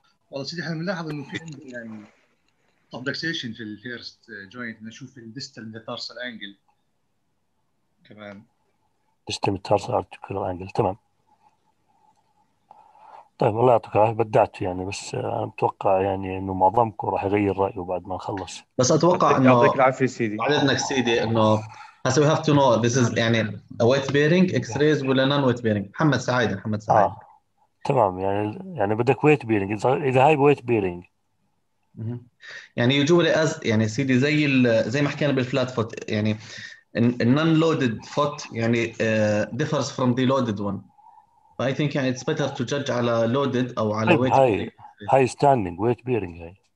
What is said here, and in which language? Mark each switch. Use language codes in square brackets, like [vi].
[ar] والله سيدي احنا بنلاحظ انه في عندي يعني سبلكسيشن في الفيرست جوينت نشوف الديستال ميتارسال انجل كمان ديستال ميتارسال ارتكولار انجل تمام طيب الله يعطيك العافية بدعت يعني بس أنا أتوقع يعني إنه معظمكم راح يغير رأيه بعد ما نخلص بس أتوقع إنه يعطيك العافية سيدي بعد إنك سيدي إنه هسا [en] we have to know this is [ar] يعني [en] weight bearing X-rays [ar] ولا [en] non weight bearing [ar] محمد سعيد تمام يعني بدك [en] weight bearing [ar] إذا هاي weight bearing يعني [en] usually as [ar] يعني سيدي زي ما حكينا بالflat foot يعني [en] non loaded foot [ar] يعني [en] differs from the loaded one I think [ar] يعني [en] it's better to judge [ar] على loaded أو على [en] weight bearing. هاي standing weight bearing هاي.